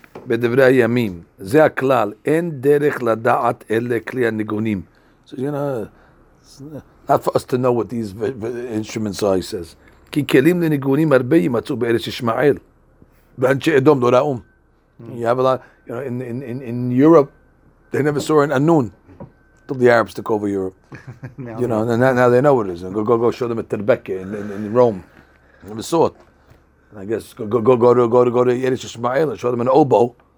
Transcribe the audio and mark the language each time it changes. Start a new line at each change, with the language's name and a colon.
Hebrew: בדברי הימים, זה הכלל, אין דרך לדעת אלה כלי הניגונים.
English: So, you know, it's not for us to know what these instruments are, he says.
Hebrew: כי כלים לניגונים הרבה ימצאו בארץ ישמעאל. ואנשי אדום, לא ראום.
English: You have a lot, you know, in Europe, they never saw an anun. Till the Arabs took over Europe. You know, now they know what it is. Go show them at Terbeke in Rome. Never saw it. I guess go to Yerush Ishmael and show them an oboe.